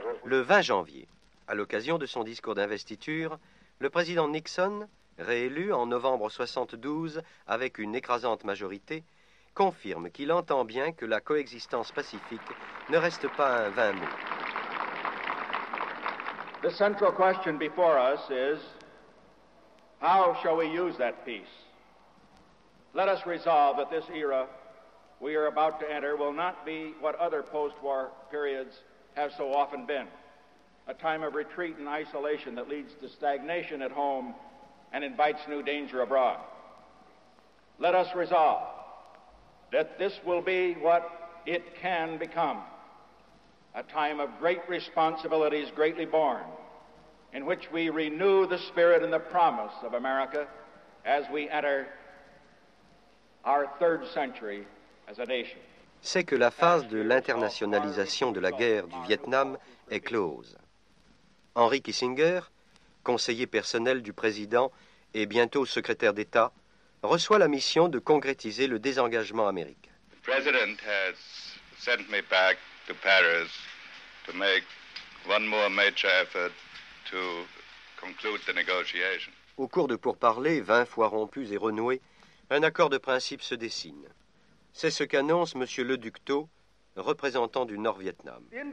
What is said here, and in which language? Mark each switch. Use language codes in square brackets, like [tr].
[fr] Le 20 janvier, à l'occasion de son discours d'investiture, le président Nixon, réélu en novembre 72 avec une écrasante majorité, confirme qu'il entend bien que la coexistence pacifique ne reste pas un vain mot. [en] The central question before us is, how shall we use that peace? Let us resolve that this era we are about to enter will not be what other post-war periods have so often been, a time of retreat and isolation that leads to stagnation at home and invites new danger abroad. Let us resolve that this will be what it can become, a time of great responsibilities greatly borne, in which we renew the spirit and the promise of America as we enter our third century as a nation. [fr] C'est que la phase de l'internationalisation de la guerre du Vietnam est close. Henry Kissinger, conseiller personnel du président et bientôt secrétaire d'État, reçoit la mission de concrétiser le désengagement américain. [en] The president has sent me back to Paris to make one more major effort to conclude the negotiation. [fr] Au cours de pourparlers 20 fois rompus et renoués, un accord de principe se dessine. C'est ce qu'annonce M. Le Ducteau, représentant du Nord-Vietnam.